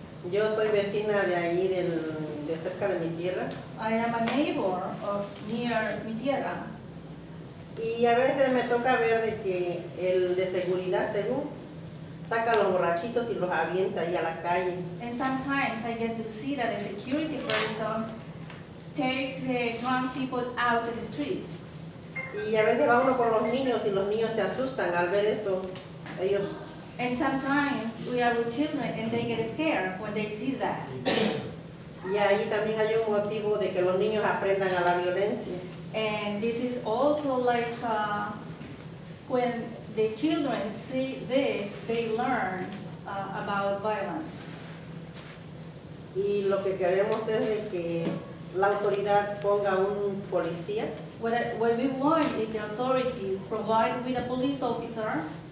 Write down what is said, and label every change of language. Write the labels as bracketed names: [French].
[Spanish] Yo soy vecina de ahí, de cerca de Mi Tierra. [English] I am a neighbor of near Mi Tierra. [Spanish] Y a veces me toca ver de que el de seguridad, según, saca los borrachitos y los avienta ahí a la calle. [English] And sometimes I get to see that a security person takes the drunk people out of the street. [Spanish] Y a veces va uno con los niños y los niños se asustan al ver eso. Ellos. [English] And sometimes we are with children and they get scared when they see that. [Spanish] Y ahí también hay un motivo de que los niños aprendan a la violencia. [English] And this is also like when the children see this, they learn about violence. [Spanish] Y lo que queremos es de que la autoridad ponga un policía. [English] What we want is the authority provide with a police officer